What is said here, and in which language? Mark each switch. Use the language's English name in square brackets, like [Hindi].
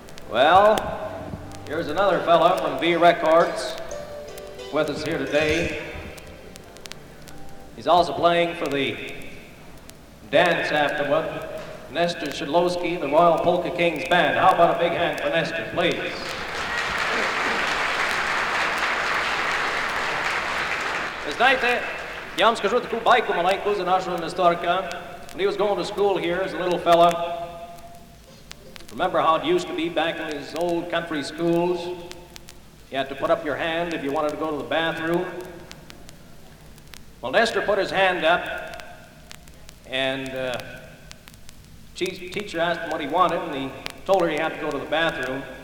[English] Well, here's another fellow from V Records with us here today. He's also playing for the dance afterward. Nestor Shidlowski, the Royal Polka Kings Band. How about a big hand for Nestor, please? [Ukrainian] Знаєте, я вам скажу таку байку маленьку за нашого Несторка. [English] When he was going to school here as a little fella, remember how it used to be back in his old country schools? You had to put up your hand if you wanted to go to the bathroom. Well, Nestor put his hand up, and teacher asked him what he wanted, and he told her he had to go to the bathroom.